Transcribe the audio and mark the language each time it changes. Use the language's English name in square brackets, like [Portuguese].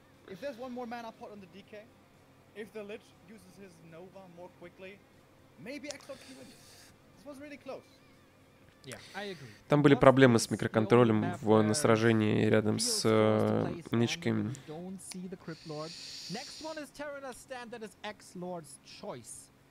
[English] If there's one more mana pot on the DK, if the Lich uses his Nova more quickly, maybe Exort can win this. This was really close. Yeah, I agree. [Russian] Там были проблемы с микроконтролем на сражении рядом с Ничками. [English] Don't see the Crypt Lord. Next one is Terranus Stand, that is X-Lord's choice.